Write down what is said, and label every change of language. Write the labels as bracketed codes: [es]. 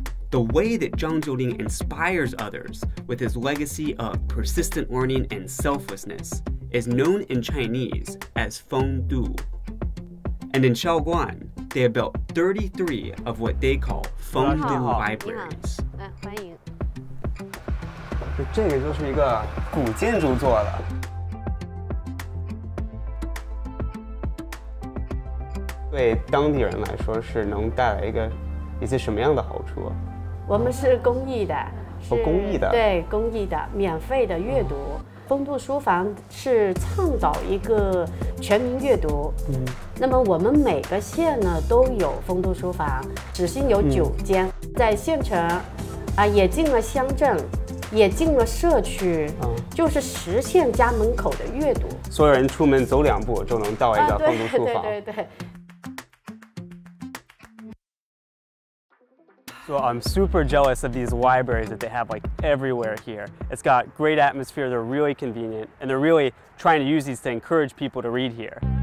[en] The way that Zhang Jiuling inspires others with his legacy of persistent learning and selflessness is known in Chinese as Feng Du. And in Shaoguan, they have built 33 of what they call Feng Du libraries. [zh] 这个就是一个古建筑做的。对当地人来说是能带来一些什么样的好处？我们是公益的，公益的，对，公益的，免费的阅读。丰都书房是倡导一个全民阅读，那么我们每个县呢都有丰都书房，只是有九间，在县城，也进了乡镇，也进了社区，就是实现家门口的阅读。所有人出门走两步就能到一个丰都书房。对。 [en] So I'm super jealous of these libraries that they have like everywhere here. It's got great atmosphere, they're really convenient, and they're really trying to use these to encourage people to read here.